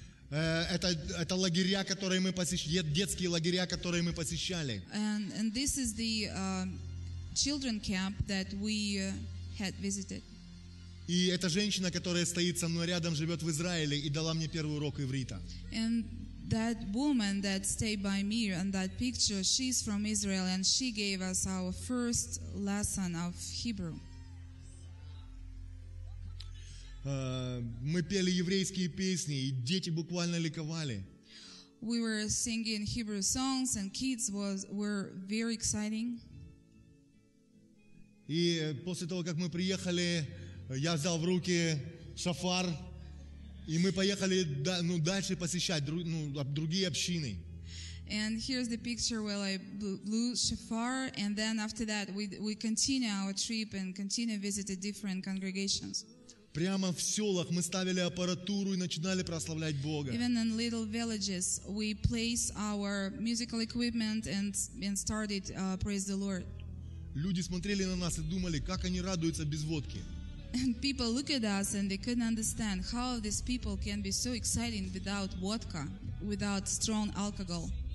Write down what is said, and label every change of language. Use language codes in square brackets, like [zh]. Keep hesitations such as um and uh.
[ru] это, это лагеря, которые мы посещали, детские лагеря, которые мы посещали. [en] And, and this is the uh, children camp that we had visited. [ru] И эта женщина, которая стоит со мной рядом, живет в Израиле и дала мне первый урок иврита. [en] And that woman that stayed by me on that picture, she's from Israel and she gave us our first lesson of Hebrew [ru] мы пели еврейские песни, и дети буквально ликовали. [en] We were singing Hebrew songs, and kids was, were very exciting. [ru] И после того, как мы приехали, я взял в руки шафар, и мы поехали ну, дальше посещать ну, другие общины. [en] And here's the picture where I blew shafar, and then after that we, we continue our trip and continue visiting different congregations. Even in little villages, we placed our musical equipment and, and started uh, praise the Lord. [ru] Люди смотрели на нас и думали, как они радуются без водки. [en] And people look at us and they couldn't understand how these people can be so exciting without vodka, without strong alcohol.